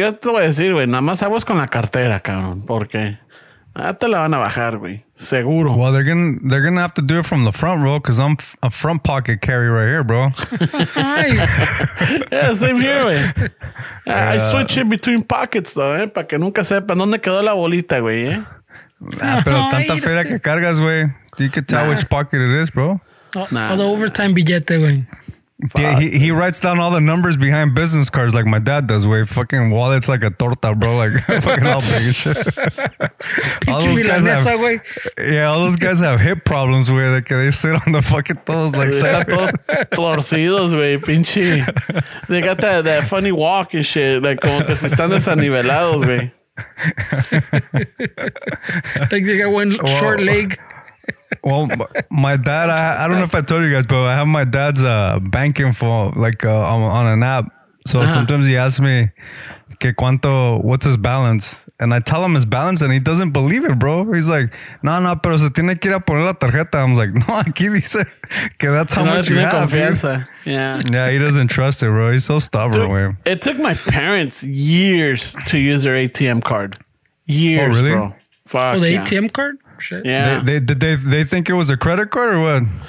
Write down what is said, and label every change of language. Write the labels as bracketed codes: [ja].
[es] Yo te voy a decir, güey, nada más aguas con la cartera, cabrón, porque ya te la van a bajar, güey, seguro. [en] Well, they're gonna have to do it from the front, bro, because I'm a front pocket carry right here, bro. Yeah, same here, güey. I switch in between pockets, though, [es] para que nunca sepan dónde quedó la bolita, [en] güey. [es] Nah, pero tanta feria que cargas, güey. [en] You can tell which pocket it is, bro. All the overtime billete, güey. Yeah, he writes down all the numbers behind business cards like my dad does, where fucking wallets like a torta, bro. Like fucking all big shit. All those guys have hip problems, where they sit on the fucking toes like [es] todos torcidos, wey, pinche. [en] They got that funny walk and shit, [es] like como que se están desanivelados, wey. [en] Like they got one short leg. Well, my dad, I don't know if I told you guys, but I have my dad's bank info, like on an app. So sometimes he asks me, [es] que cuánto, [en] what's his balance? And I tell him his balance and he doesn't believe it, bro. He's like, [es] no, pero se tiene que ir a poner la tarjeta. [en] I'm like, no, [es] aquí dice que [en] that's how much you have. Yeah, he doesn't trust it, bro. He's so stubborn. Dude, it took my parents years to use their ATM card. Years, oh, really? Bro. Fuck, oh, the ATM card? Shit. Yeah, they think it was a credit card or what?